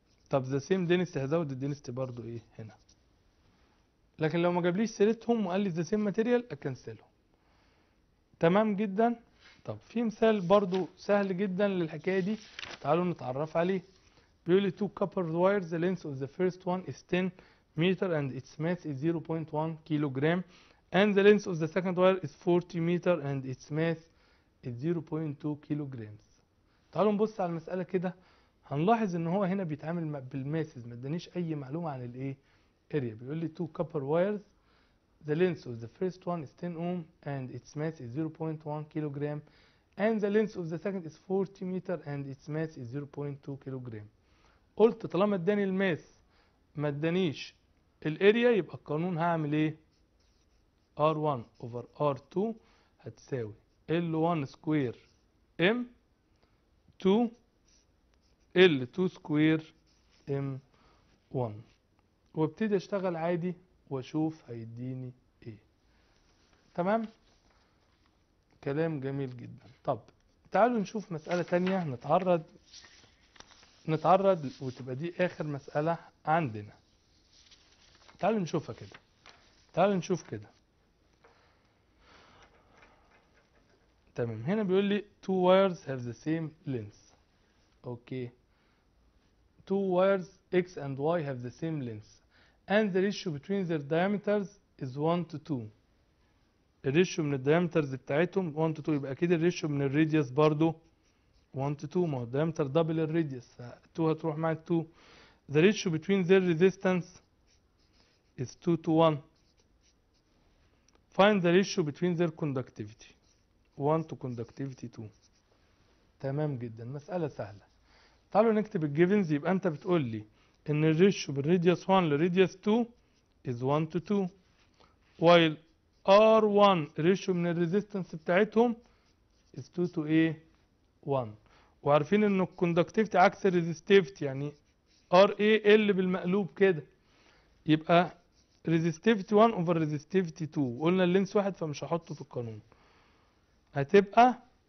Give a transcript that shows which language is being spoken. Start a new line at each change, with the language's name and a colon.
Arabic: طب
English: the same density
Arabic: هزود الدينستي برضو ايه هنا. لكن لو ما جابليش سيرتهم وقال لي
English: the same material
Arabic: اكنسلهم. تمام جدا. طب في مثال برضو سهل جدا للحكاية دي، تعالوا نتعرف عليه. بيقول لي
English: two copper wires the length of the first one is 10 meter and its mass is 0.1 kilogram and the length of the second wire is 40 meter and its mass is 0.2 kilograms.
Arabic: تعالوا نبص على المسألة كده، هنلاحظ ان هو هنا بيتعامل بالماسز، ما ادانيش اي معلومة عن الايه area. بيقول لي
English: two copper wires the length of the first one is 10 ohm and its mass is 0.1 kilogram and the length of the second is 40 meter and its mass is 0.2 kilogram.
Arabic: قلت طالما اداني الماس ما ادانيش الاريا يبقى القانون هعمل ايه؟ R1 over R2 هتساوي L1 سكوير M2 L2 سكوير M1 وابتدي اشتغل عادي واشوف هيديني تمام. كلام جميل جدا. طب تعالوا نشوف مسألة تانية نتعرض وتبقى دي اخر مسألة عندنا. تعالوا نشوف كده. تمام، هنا بيقول لي
English: two wires have the same length. Okay, two wires x and y have the same length and the ratio between their diameters is 1:2.
Arabic: الريشو من الديامترز بتاعتهم 1 to 2، يبقى اكيد الريشو من الريديوس برضو 1 to 2، ما هو الديامتر دبل الريديوس، 2 هتروح مع 2.
English: The ratio between their resistance is 2 to 1. Find the ratio between their conductivity 1 to conductivity 2.
Arabic: تمام جدا، مسألة سهلة. تعالوا نكتب الجيفنز. يبقى انت بتقول لي ان الريشو من radius 1 لريديوس 2 is 1 to 2
English: while R1
Arabic: ريشو من الريزيستنس بتاعتهم is 2 to A 1، وعارفين ان الكوندكتيفتي عكس الريزيستيفتي، يعني RA L بالمقلوب كده، يبقى ريزيستيفتي 1 over ريزيستيفتي 2، وقلنا اللينس واحد فمش هحطه في القانون، هتبقى